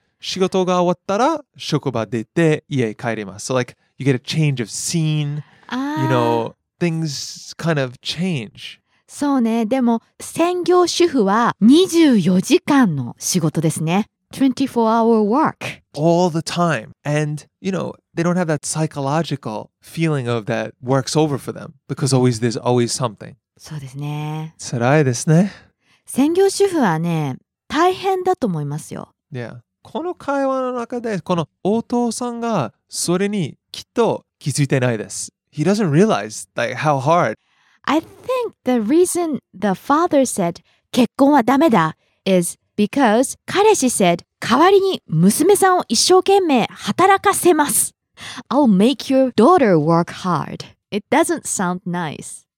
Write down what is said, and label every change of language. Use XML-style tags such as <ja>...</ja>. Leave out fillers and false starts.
<ja>仕事が終わったら職場出て家へ帰ります。</ja> <en>So like you get a change of scene, you know, things kind of change.</en> <ja>そうね。でも専業主婦は24時間の仕事ですね。</ja> <en>24-hour work. All the time. And, you know, they don't have that psychological feeling of that work's over for them. Because always, there's always something.</en> <ja>そうですね。辛いですね。専業主婦はね、大変だと思いますよ。</ja> <en>Yeah.</en> <ja>この会話の中で、このお父さんがそれにきっと気づいてないです。</ja> <en>He doesn't realize, like, how hard. I think the reason the father said,</en> <ja>結婚はダメだ,</ja> <en>is... Because</en> <ja>彼氏</ja> <en>said,</en> <ja>代わりに娘さんを一生懸命働かせます。</ja> <en>I'll make your daughter work hard. It doesn't sound nice.</en>